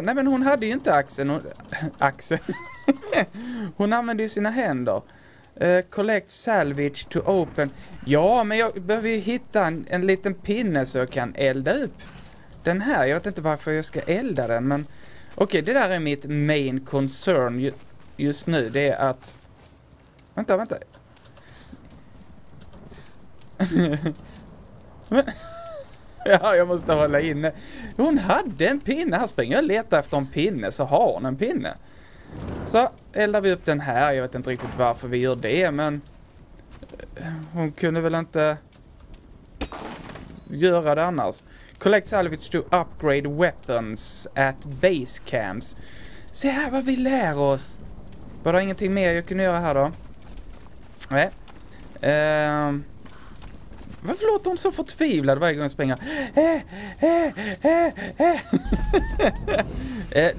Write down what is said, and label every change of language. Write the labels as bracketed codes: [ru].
[sv] Nej, men hon hade ju inte axeln. Axeln. Hon använde ju sina händer. [en] Collect salvage to open. [sv] Ja, men jag behöver ju hitta en liten pinne så jag kan elda upp den här. Jag vet inte varför jag ska elda den, men okej, det där är mitt [en] main concern [sv] just nu. Det är att vänta. Ja, jag måste hålla inne. Hon hade en pinne. Här springer jag och letar efter en pinne, så har hon en pinne. Så eldar vi upp den här. Jag vet inte riktigt varför vi gör det, men hon kunde väl inte göra det annars. [en] Collect salvage to upgrade weapons at base camps. [sv] Se här vad vi lär oss. Var det ingenting mer jag kunde göra här då? Nej. Varför låter hon så förtvivlad varje gång jag springer?